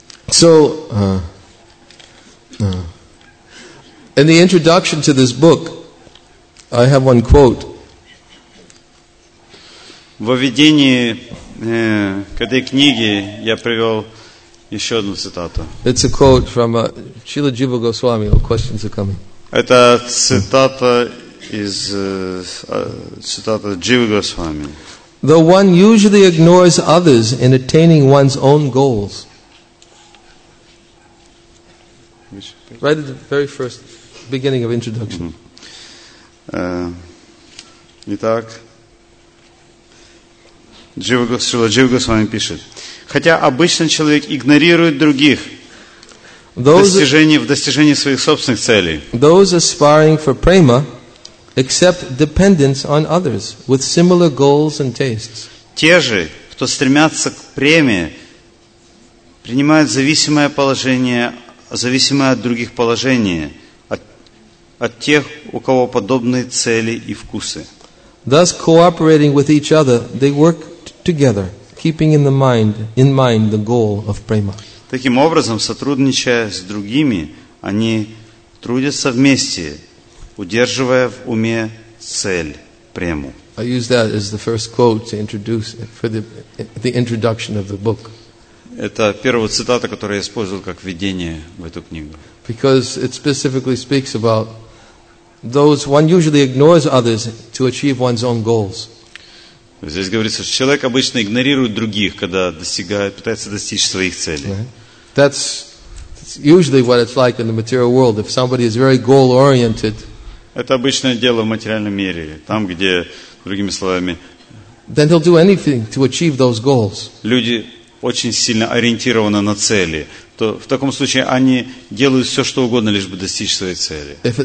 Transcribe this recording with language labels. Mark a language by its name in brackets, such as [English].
[English] So, in the introduction to this book, I have one quote. [Russian] Во введении к этой книге я привел еще одну цитату. [English] It's a quote from Srila Jiva Goswami. All questions are coming. [Russian] Это цитата из цитата Джива Госвами. [English] Though one usually ignores others in attaining one's own goals. Right at the very first beginning of introduction. [Russian] Итак, Джива Госвами пишет: хотя обычно человек игнорирует других в достижении своих собственных целей. [English] Those aspiring for prema accept dependence on others with similar goals and tastes. [Russian] Те же, кто стремятся к преме, принимают зависимое положение. Зависимое от других положений, от тех, у кого подобные цели и вкусы. [English] Thus cooperating with each other, they work together, keeping in mind the goal of prema. [Russian] Таким образом, сотрудничая с другими, они трудятся вместе, удерживая в уме цель прему. [English] I use that as the first quote to introduce for the introduction of the book. [Russian] Это первая цитата, которую я использовал как введение в эту книгу. [English] Because it specifically speaks about those one usually ignores others to achieve one's own goals. [Russian] Здесь говорится, что человек обычно игнорирует других, когда пытается достичь своих целей. [English] Right. That's usually what it's like in the material world. If somebody is very goal-oriented. [Russian] Это обычное дело в материальном мире, там, где, другими словами. [English] Then he'll do anything to achieve those goals. [Russian] Люди очень сильно ориентированы на цели, то в таком случае они делают все, что угодно, лишь бы достичь своей цели.